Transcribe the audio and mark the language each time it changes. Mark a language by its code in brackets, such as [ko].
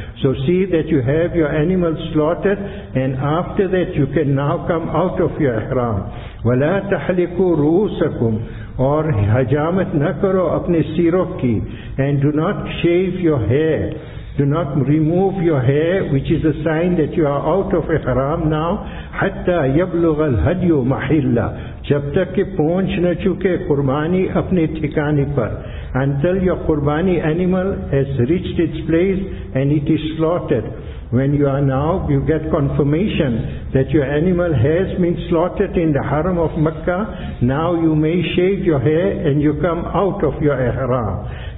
[en] So see that you have your animal slaughtered, and after that you can now come out of your ihram. [ar] وَلَا تَحْلِقُوا رُؤُسَكُمْ, [ur] اور حجامت نہ کرو اپنے سیروں کی. [en] And do not shave your hair. Do not remove your hair, which is a sign that you are out of ihram now. [ar] حَتَّى يَبْلُغَ الْهَدْيُ مَحِلَّ, [ur] جب تک کہ پہنچ نہ چکے قربانی اپنے ٹھکانے پر. [en] Until your qurbani animal has reached its place and it is slaughtered. When you are now, you get confirmation that your animal has been slaughtered in the haram of Makkah, now you may shave your hair and you come out of your ihram.